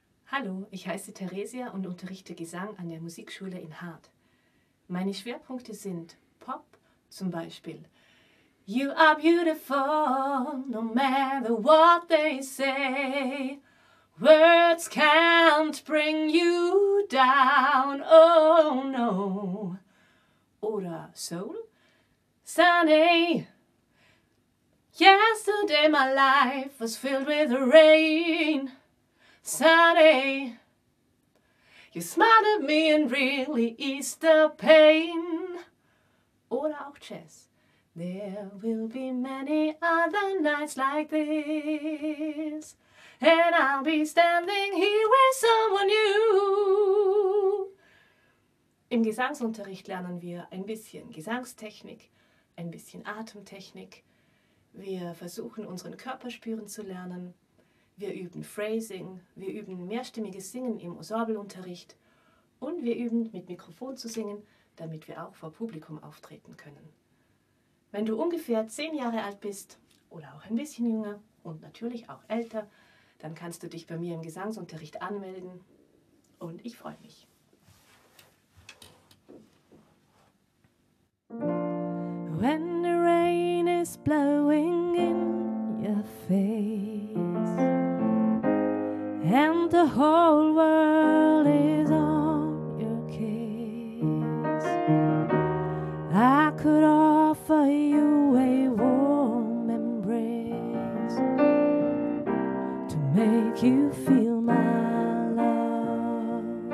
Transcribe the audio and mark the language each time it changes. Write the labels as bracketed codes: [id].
[de] Hallo, ich heiße Theresia und unterrichte Gesang an der Musikschule in Hart. Meine Schwerpunkte sind Pop, zum Beispiel [en] You are beautiful, no matter what they say. Words can't bring you down, oh no. [de] Oder [en] Soul, Sunny. Yesterday my life was filled with rain. Sunny, you smiled at me and really eased the pain. [de] Oder auch Jazz. [en] There will be many other nights like this, and I'll be standing here with someone new. [de] Im Gesangsunterricht lernen wir ein bisschen Gesangstechnik, ein bisschen Atemtechnik. Wir versuchen, unseren Körper spüren zu lernen. Wir üben Phrasing, wir üben mehrstimmiges Singen im Ensembleunterricht und wir üben mit Mikrofon zu singen, damit wir auch vor Publikum auftreten können. Wenn du ungefähr 10 Jahre alt bist oder auch ein bisschen jünger und natürlich auch älter, dann kannst du dich bei mir im Gesangsunterricht anmelden und ich freue mich. [en] When the rain is blowing in your face and the whole world is on your case, I could offer you a warm embrace to make you feel my love.